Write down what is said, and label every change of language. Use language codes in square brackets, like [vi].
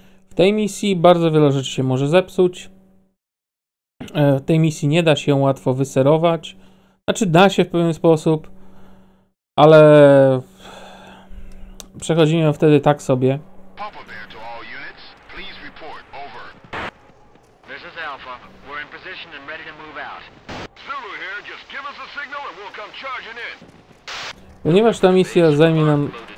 [pl] W tej misji bardzo wiele rzeczy się może zepsuć. W tej misji nie da się łatwo wyserować. Znaczy da się w pewien sposób, ale przechodzimy wtedy tak sobie. [en] Papa there to all units. Please report. Over. This is Alpha. We're in position and ready to move out. Zulu here, just give us a signal and we'll come charging in. [pl] Ponieważ ta misja zajmie nam...